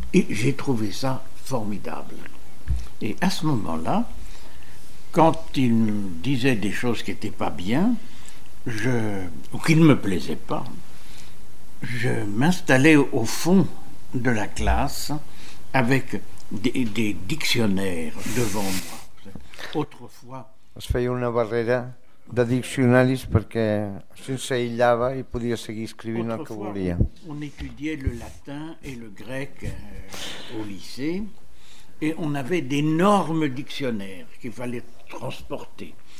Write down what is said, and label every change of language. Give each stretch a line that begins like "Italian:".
French: Et j'ai trouvé ça formidable. Et à ce moment-là, quand il me disait des choses qui n'étaient pas bien, ou qui ne me plaisaient pas, je m'installais au fond de la classe avec des dictionnaires devant moi. Autrefois,
Catalan: es feia una barrera de diccionaris perquè sense aïllava i podia seguir escrivint el que volia.
French: On étudiait le latin et le grec au lycée et on avait d'énormes dictionnaires qu'il fallait transporter.